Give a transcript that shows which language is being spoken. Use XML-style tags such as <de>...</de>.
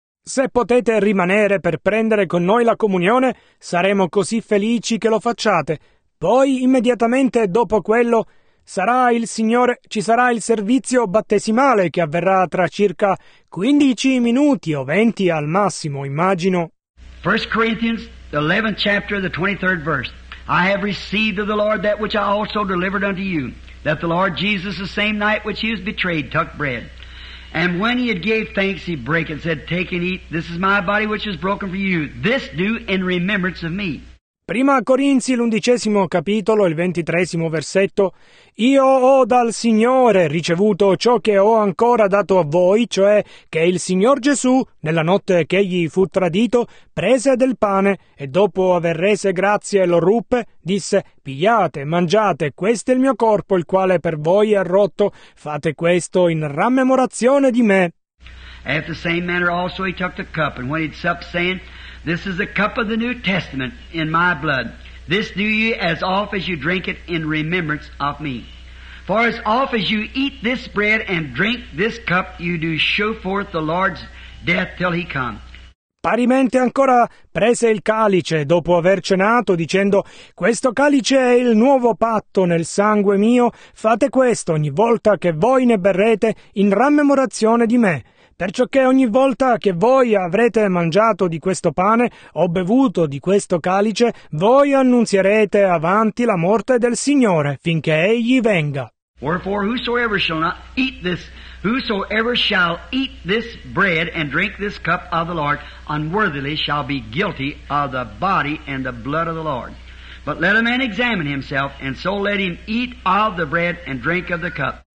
<it>Se potete rimanere per prendere con noi la comunione, saremo così felici che lo facciate. Poi, immediatamente dopo quello, sarà il Signore, ci sarà il servizio battesimale che avverrà tra circa 15 minuti o 20 al massimo, immagino.</it> <en>1 Corinthians, the 11th chapter, the 23rd verse. I have received of the Lord that which I also delivered unto you, that the Lord Jesus, the same night which he was betrayed, took bread. And when he had gave thanks, he brake and said, Take and eat, this is my body which is broken for you. This do in remembrance of me.</en> <it>Prima Corinzi, l'undicesimo capitolo, il 23° versetto. Io ho dal Signore ricevuto ciò che ho ancora dato a voi, cioè che il Signor Gesù, nella notte che egli fu tradito, prese del pane e dopo aver rese grazie lo ruppe, disse, pigliate, mangiate, questo è il mio corpo, il quale per voi è rotto, fate questo in rammemorazione di me.</it> <en>At the same manner also he took the cup, and when he'd supped, saying, This is the cup of the New Testament in my blood. This do ye as oft as you drink it in remembrance of me. For as oft as you eat this bread and drink this cup, you do show forth the Lord's death till he come.</en> <it>Parimente ancora prese il calice dopo aver cenato, dicendo, Questo calice è il nuovo patto nel sangue mio. Fate questo ogni volta che voi ne berrete in rammemorazione di me. Perciò che ogni volta che voi avrete mangiato di questo pane o bevuto di questo calice, voi annunzierete avanti la morte del Signore finché egli venga.</it> <en>Wherefore whosoever shall not eat this, whosoever shall eat this bread and drink this cup of the Lord unworthily shall be guilty of the body and the blood of the Lord. But let a man examine himself, and so let him eat of the bread and drink of the cup.</en>